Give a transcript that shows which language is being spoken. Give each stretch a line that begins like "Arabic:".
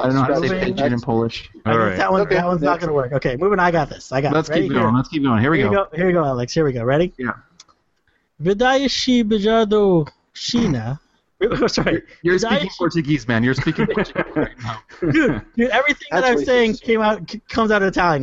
English: I don't know how to say pigeon in Polish. All right. That one's not going to work. Okay, moving on. I got this. Let's keep going. Here we go, Alex. Here we go. Ready? Yeah.
Polish: Wydajesz się bardzo silna.
English: You're speaking Portuguese, man. You're speaking Portuguese right now. Dude, everything that I'm saying comes out of Italian.